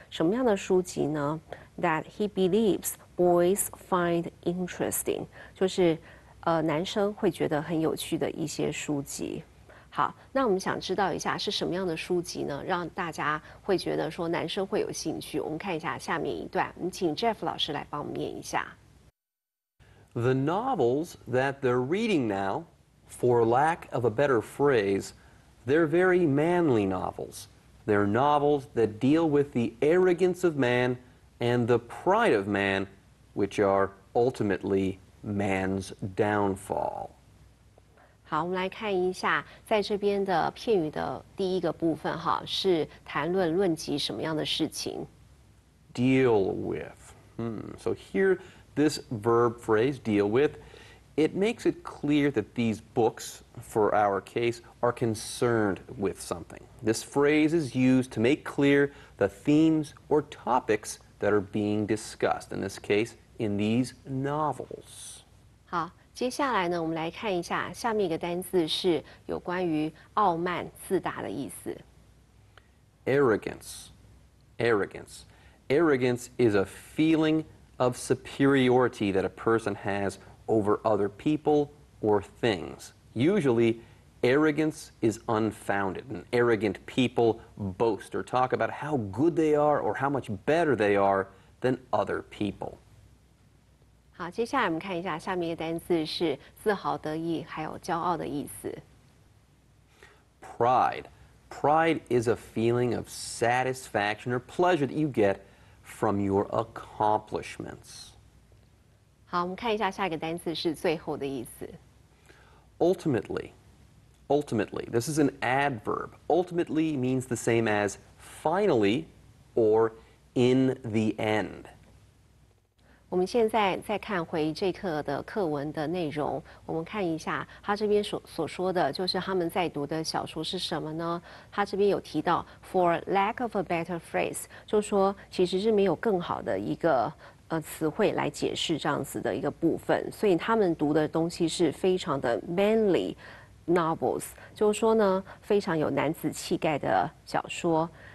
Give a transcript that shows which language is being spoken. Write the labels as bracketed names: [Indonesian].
[Chinese] 什么样的书籍呢 ？ [English] That he believes boys find interesting， [Chinese] 就是男生会觉得很有趣的一些书籍。好，那我们想知道一下是什么样的书籍呢？让大家会觉得说男生会有兴趣。我们看一下下面一段，我们请 Jeff 老师来帮我们念一下。 [English] The novels that they're reading now, for lack of a better phrase, they're very manly novels. They're novels that deal with the arrogance of man and the pride of man, which are ultimately man's downfall. [Chinese] 好，我们来看一下在这边的片语的第一个部分哈，是谈论论及什么样的事情 [English] ？Deal with. So here, this verb phrase "deal with," it makes it clear that these books, for our case, are concerned with something. This phrase is used to make clear the themes or topics that are being discussed. In this case, in these novels. [Chinese] 好。接下来呢，我们来看一下下面一个单字是有关于傲慢、自大的意思。 [English] Arrogance, arrogance, arrogance is a feeling of superiority that a person has over other people or things. Usually, arrogance is unfounded, and arrogant people boast or talk about how good they are or how much better they are than other people. [Chinese] 好，接下来我们看一下下面一个单字是自豪得意，还有骄傲的意思。 [English] Pride. Pride is a feeling of satisfaction or pleasure that you get from your accomplishments. [Chinese] 好，我们看一下下一个单字是最后的意思。 [English] Ultimately. Ultimately. This is an adverb. Ultimately means the same as finally or in the end. [Chinese] 我们现在再看回这课的课文的内容，我们看一下他这边所说的就是他们在读的小说是什么呢？他这边有提到 [English] for lack of a better phrase， [Chinese] 就说其实是没有更好的一个词汇来解释这样子的一个部分，所以他们读的东西是非常的 manly novels， 就说呢非常有男子气概的小说。